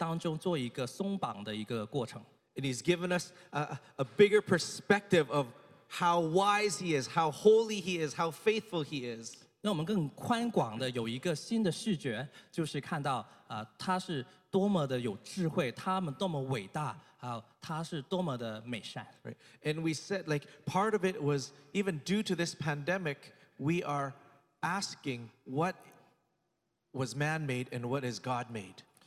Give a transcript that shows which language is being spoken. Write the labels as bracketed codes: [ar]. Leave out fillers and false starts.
[zh] 他在我们当中所做的功呢，其中一样就是他在我们心当中有一些过往对他的信念想法呢，在当中做一个松绑的一个过程。 [en] And he's given us a bigger perspective of how wise he is, how holy he is, how faithful he is. [zh] 让我们更宽广的有一个新的视觉，就是看到他是多么的有智慧，他们多么伟大。 [en] Right. And we said, like, part of it was even due to this pandemic, we are asking what was man-made and what is God-made.